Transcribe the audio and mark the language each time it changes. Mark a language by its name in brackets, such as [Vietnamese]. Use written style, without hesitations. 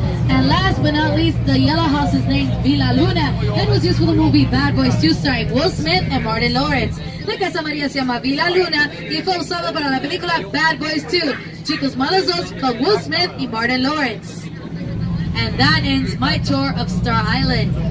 [English] And last but not least, the yellow house is named Villa Luna and was used for the movie Bad Boys 2 starring Will Smith and Martin Lawrence. [Spanish] La casa María se llama Villa Luna y fue usada para la película Bad Boys 2, Chicos Malos Dos con Will Smith y Martin Lawrence. [English] And that ends my tour of Star Island.